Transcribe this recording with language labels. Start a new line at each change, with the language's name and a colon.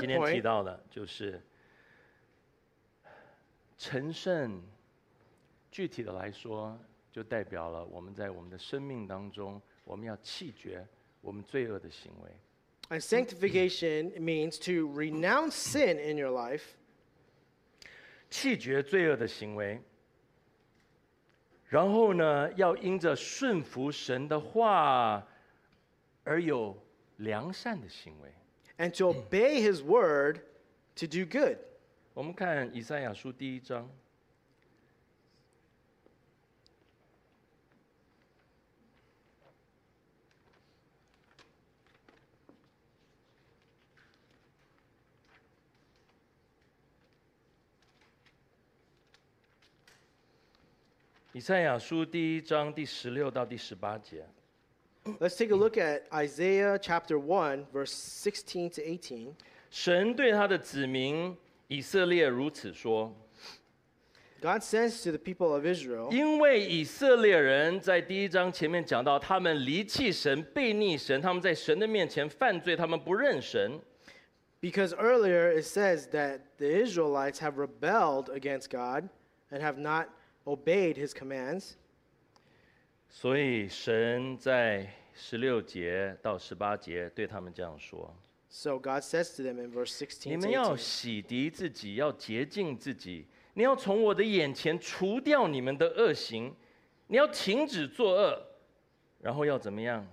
Chinese: 我们今天提到的就是成圣，具体的来说就代表了我们在我们的生命当中，我们要弃绝我们罪恶的行为。
English: And sanctification means to renounce sin in your life.
Chinese: 弃绝罪恶的行为，然后呢，要因着顺服神的话而有良善的行为。
English: And to obey his word to do good.
Chinese: 我们看以赛亚书第一章。以赛亚书第一章第十六到第十八节。
English: Let's take a look at Isaiah chapter 1, verse 16 to 18.
Chinese: 神对他的子民以色列如此说。
English: God says to the people of Israel,
Chinese: 因为以色列人在第一章前面讲到他们离弃神背逆神他们在神的面前犯罪他们不认神。
English: Because earlier it says that the Israelites have rebelled against God and have not obeyed his commands.
Chinese: 所以神在十六节到十八节对他们这样说。
English: So God says to them in verse 16 to 18,
Chinese: 你们要洗涤自己，要洁净自己。你要从我的眼前除掉你们的恶行，你要停止作恶，然后要怎么样？